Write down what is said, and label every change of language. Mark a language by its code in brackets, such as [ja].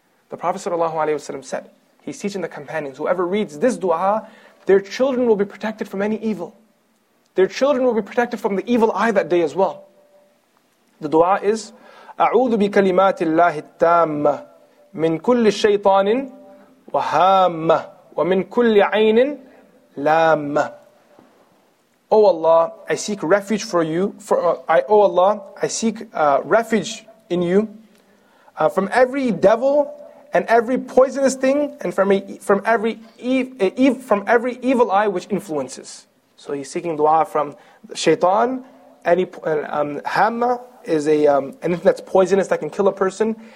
[en] The Prophet ﷺ said, he's teaching the companions, whoever reads this dua, their children will be protected from any evil. Their children will be protected from the evil eye that day as well. The dua is, [ar] أعوذ بكلمات الله التامة من كل شيطان وهامة ومن كل عين لامة. [en] Oh Allah, I seek refuge for you. I seek refuge in you from every devil and every poisonous thing, and from every evil eye which influences. So he's seeking dua from shaitan. Hamma is anything that's poisonous that can kill a person.